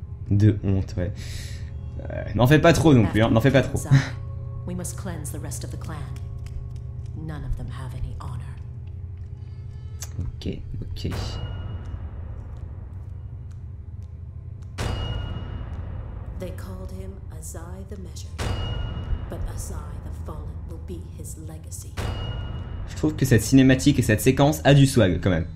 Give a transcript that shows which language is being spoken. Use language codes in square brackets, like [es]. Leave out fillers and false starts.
[fr] De honte, ouais. N'en fais pas trop non plus, hein. N'en fais pas trop. [en] We must cleanse the rest of the clan. None of them have any honor. Ok, ok. They called him Azai the Measured, but Azai the Fallen will be his legacy. [fr] Je trouve que cette cinématique et cette séquence a du swag quand même.